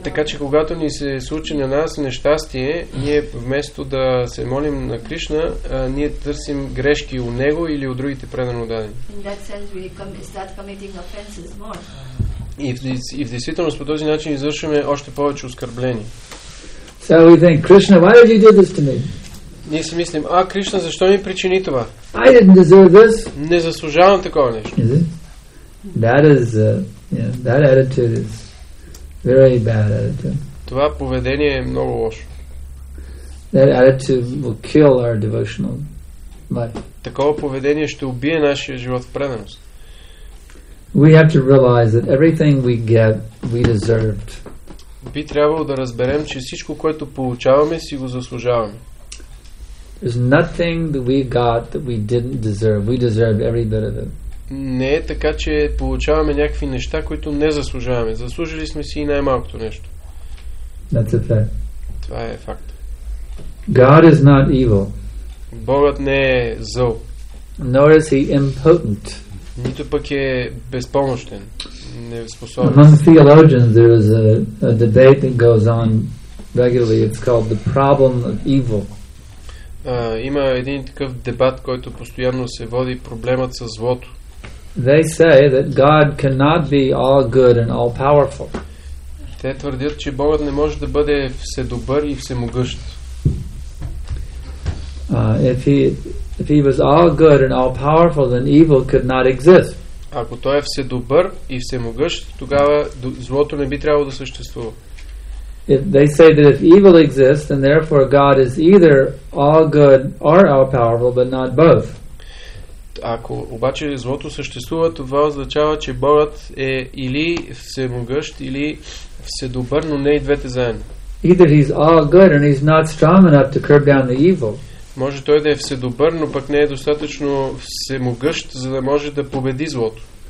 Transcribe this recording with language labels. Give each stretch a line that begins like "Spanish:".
Bulgarian: Така че когато ни се случи на нас нещастие, ние вместо да се молим на Кришна, ние търсим грешки у него или у другите предано дадени.
English: In that sense, we start committing offenses more.
Bulgarian: И в действителност по този начин извършваме още повече оскърбление.
English: So we think, Krishna, why did you do this to me?
Bulgarian: Ние си мислим, а Кришна, защо ми причини това?
English: I didn't deserve this.
Bulgarian: Не заслужавам такова нещо.
English: Is it? That is, that attitude is very bad attitude.
Bulgarian: Това поведение е много лошо.
English: That attitude will kill our devotional life.
Bulgarian: Такова поведение ще убие нашия живот в преданост.
English: We have to realize that everything we get, we deserved.
Bulgarian: Би трябвало да разберем, че всичко, което получаваме, си го заслужаваме.
English: There's nothing that we got that we didn't deserve. We deserve every bit of it.
Bulgarian: Не е така, че получаваме някакви неща, които не заслужаваме. Заслужили сме си и най-малкото нещо.
English: That's a fact.
Bulgarian: Това е факт.
English: God is not evil.
Bulgarian: Богът не е зъл.
English: Nor is he impotent.
Bulgarian: Нито пък е безпомощен, неспособен.
English: Among theologians there is a debate that goes on regularly. It's called the problem of evil.
Bulgarian: Има един такъв дебат, който постоянно се води, проблемът със злото.
English: They say that God cannot be all good and all powerful.
Bulgarian: Те твърдят, че Богът не може да бъде вседобър и всемогъщ.
English: If he was all good and all powerful, then evil could not exist.
Bulgarian: Ако той е вседобър и всемогъщ, тогава злото не би трябвало да съществува.
English: If they say that if evil exists, then therefore God is either all good or all powerful, but not both.
Bulgarian: Ако обаче злото съществува, това означава, че Богът е или всемогъщ, или вседобър, но не и двете заедно.
English: Either he's all good and he's not strong enough to curb down the evil.
Bulgarian: Може той да е вседобър, но пък не е достатъчно всемогъщ, за да може да победи злото.